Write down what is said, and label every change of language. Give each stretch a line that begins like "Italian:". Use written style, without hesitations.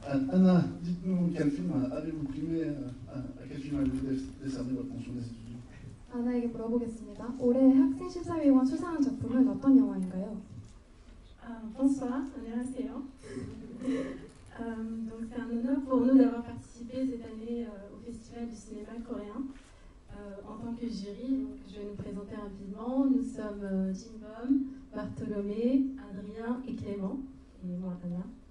French: Anna, dites-nous quel film avez-vous primé, à quel film avez-vous décerné votre mention des étudiants?
Korean: Anna에게 물어보겠습니다. 올해 학생 심사위원 수상한 작품은 어떤 영화인가요?
French: Bonsoir,
Korean: 안녕하세요.
French: donc c'est un honneur pour nous d'avoir participé cette année au Festival du cinéma coréen. En tant que jury, donc, je vais nous présenter rapidement. Nous sommes Jim Bom, Bartholomé, Adrien et Clément. Et moi, Anna.